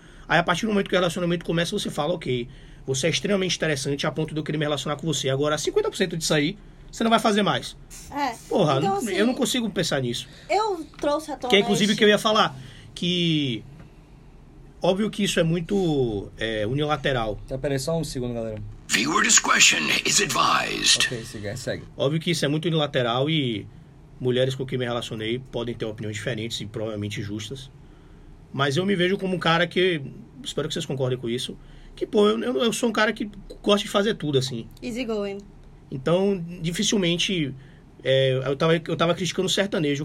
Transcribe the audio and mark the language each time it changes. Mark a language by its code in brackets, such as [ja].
[pt] Aí, a partir do momento que o relacionamento começa, você fala, ok, você é extremamente interessante a ponto de eu querer me relacionar com você. Agora, 50% disso aí, você não vai fazer mais. Porra, então, não, assim, eu não consigo pensar nisso. Eu trouxe a tua... que é, inclusive, o que eu ia falar. Que... óbvio que isso é muito unilateral. Tá, peraí, só um segundo, galera. [en] Viewer discretion is advised. [pt] Ok, segue. Óbvio que isso é muito unilateral e... mulheres com quem me relacionei podem ter opiniões diferentes e provavelmente justas. Mas eu me vejo como um cara que... espero que vocês concordem com isso. Que, pô, eu sou um cara que gosta de fazer tudo, assim. [en] Easy going. [pt] Então, dificilmente... eu tava criticando o sertanejo.